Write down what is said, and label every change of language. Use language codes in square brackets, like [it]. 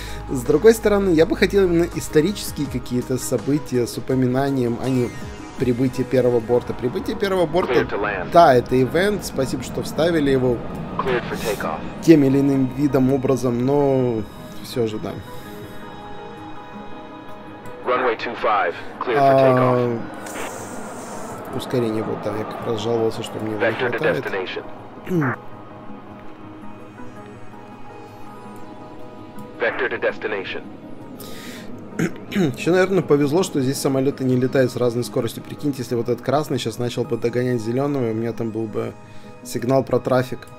[ru] С другой стороны, я бы хотел именно исторические какие-то события с упоминанием, а не прибытие первого борта. Прибытие первого борта, да, это ивент, спасибо, что вставили его тем или иным видом, образом, но... Все же, да. [en] Runway 25, clear for takeoff. [ru] Ускорение вот там. Я как раз жаловался, что мне его не хватает. [en] Vector to destination. [ru] Еще, наверное, повезло, что здесь самолеты не летают с разной скоростью. Прикиньте, если вот этот красный сейчас начал бы догонять зеленого, у меня там был бы сигнал про трафик.